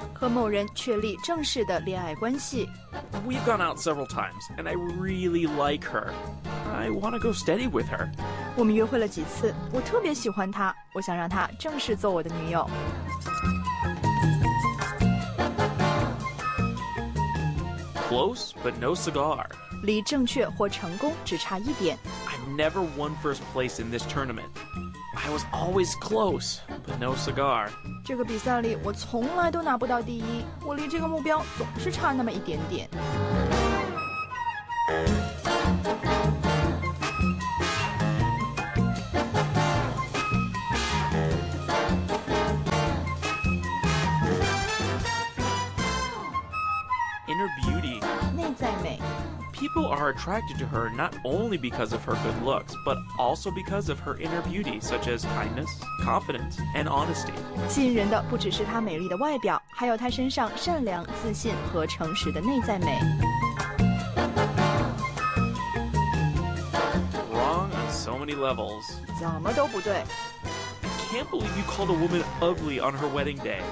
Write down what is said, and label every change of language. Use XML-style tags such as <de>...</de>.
<zh>和某人确立正式的恋爱关系。</zh> <en>We've gone out several times, and I really like her. I want to go steady with her.</en> <zh>我们约会了几次，我特别喜欢她，我想让她正式做我的女友。</zh> <en>Close, but no cigar.</en> <zh>离正确或成功只差一点。</zh> <en>I've never won first place in this tournament. I was always close, but no cigar.</en> <zh>这个比赛里我从来都拿不到第一，我离这个目标总是差那么一点点。</zh> <en>Inner beauty.</en> <zh>内在美。</zh> <en>People are attracted to her not only because of her good looks, but also because of her inner beauty, such as kindness, confidence, and honesty.</en> <zh>吸引人的不只是她美丽的外表，还有她身上善良、自信和诚实的内在美。</zh> <en>Wrong on so many levels.</en> <zh>怎么都不对。</zh> <en>I can't believe you called a woman ugly on her wedding day.</en>